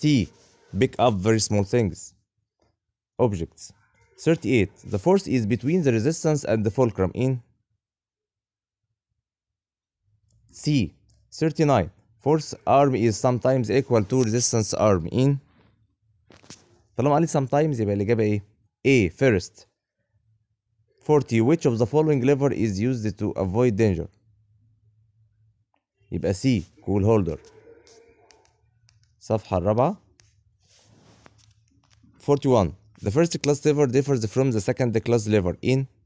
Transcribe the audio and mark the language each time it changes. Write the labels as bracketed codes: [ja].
[en] C pick up very small things objects. 38 the force is between the resistance and the fulcrum in. C 39 force arm is sometimes equal to resistance arm in. [ar] طالما قال لي sometimes يبقى الإجابة إيه. [en] A first. 40 which of the following lever is used to avoid danger [ar] يبقى [en] C cool holder. [ar] صفحة الرابعة. [en] 41 the first class lever differs from the second class lever in.